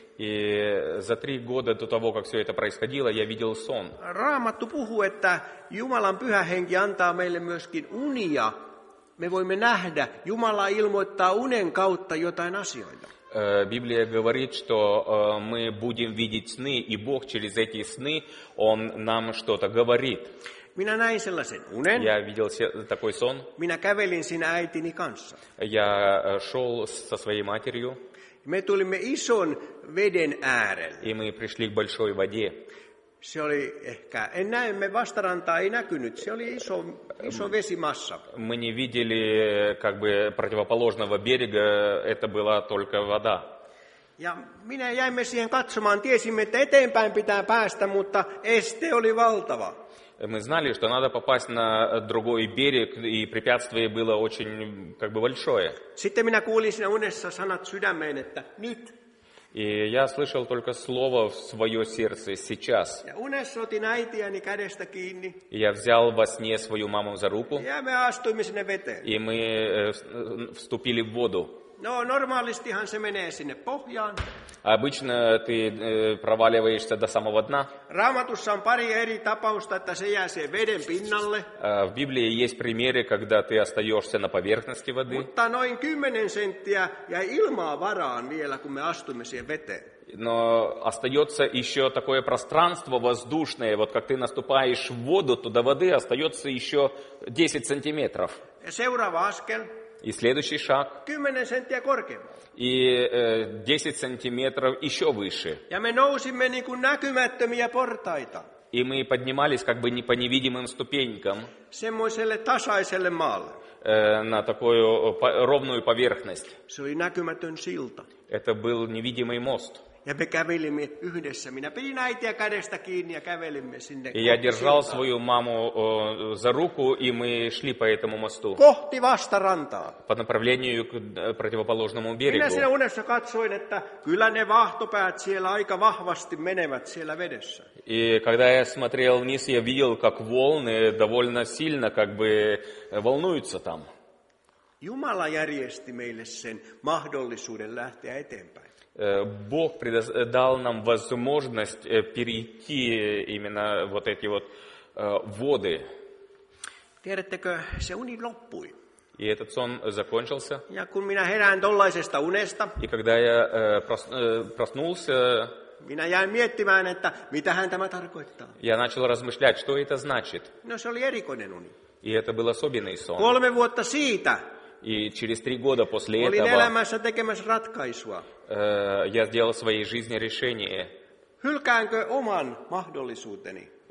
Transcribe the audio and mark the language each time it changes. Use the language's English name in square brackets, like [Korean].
[Russian] И за 3 года до того, как всё это происходило, я видел сон. [Finnish] Raamattu puhuu, että Jumalan pyhä henki antaa meille myöskin unia. Me voimme nähdä, Jumala ilmoittaa unen kautta jotain asioita. [Russian] Библия говорит, что мы будем видеть сны, и Бог через эти сны он нам что-то говорит. [Finnish] Minä näin sellaisen unen. [Russian] Я видел такой сон. [Finnish] Minä kävelin sinä äitini kanssa. [Russian] Я шёл со своей матерью. [Finnish] Me tulimme ison veden äärelle. [Russian] И мы пришли к большой воде. [Finnish] Se oli ehkä, en näe, me vastarantaa ei näkynyt, se oli iso vesimassa. [Russian] Мы не видели как бы противоположного берега, это была только вода. [Finnish] Ja minä jäimme siihen katsomaan, tiesimme, että eteenpäin pitää päästä, mutta este oli valtava. [Russian] Мы знали, что надо попасть на другой берег, и препятствие было очень как бы большое. [Finnish] Sitten minä kuulin siinä unessa sanat sydämeen, että nyt. [Russian] И я слышал только слово в свое сердце сейчас. [Finnish] Ja unessa otin äitiäni kädestä kiinni. [Russian] Я взял во сне свою маму за руку. [Finnish] Ja me astuimme sinne veteen. [Russian] И мы вступили в воду. [Finnish] No, normaalistihan se menee sinne pohjaan. [Russian] Обычно ты проваливаешься до самого дна. [Finnish] Raamatussa on pari eri tapausta, että se jää siihen veden pinnalle. [Russian] В Библии есть примеры, когда ты остаешься на поверхности воды. [Finnish] Mutta noin 10 senttiä jäi ilmaa varaan vielä, kun me astumme siihen veteen. [Russian] Но остается еще такое пространство воздушное, вот как ты наступаешь в воду, туда воды остается еще 10 сантиметров. [Finnish] Seuraava askel. [Russian] И следующий шаг. 10 сантиметров корkeammal. И 10 сантиметров еще выше. [Finnish] Ja me nousimme niin kuin näkymättömiä portaita. [Russian] И мы поднимались как бы не по невидимым ступенькам. [Finnish] Semmoiselle tasaiselle maalle. [Russian] На такую ровную поверхность. [Finnish] Se oli näkymätön silta. [Russian] Это был невидимый мост. [Finnish] Ja me kävelimme yhdessä. Minä pidin äitiä kädestä kiinni ja kävelimme sinne. [Russian] Я держал свою маму за руку, и мы шли по этому мосту. [Finnish] Kohti vastarantaa. [Russian] По направлению к противоположному берегу. [Finnish] Minä siinä unessa katsoin, että kyllä ne vahtopäät siellä aika vahvasti menevät siellä vedessä. [Russian] И когда я смотрел вниз, я видел, как волны довольно сильно как бы волнуются там. [Finnish] Jumala järjesti meille sen mahdollisuuden lähteä eteenpäin. [Russian] Бог дал нам возможность перейти именно вот эти вот воды. [Finnish] Tiedättekö, se uni loppui. [Russian] И этот сон закончился. [Finnish] Ja kun minä herään tollaisesta unesta, [Russian] и когда я проснулся, [Finnish] minä jäin miettimään, että mitähän tämä tarkoittaa. [Russian] Я начал размышлять, что это значит. [Finnish] No, se oli erikoinen uni. [Russian] И это был особенный сон. [Finnish] 3 vuotta siitä. [Russian] И через 3 года после [Finnish] olin [Russian] этого [Finnish] elämässä tekemässä ratkaisua. [Russian] Я сделал в своей жизни решение. [Finnish] Hylkäänkö oman mahdollisuuteni?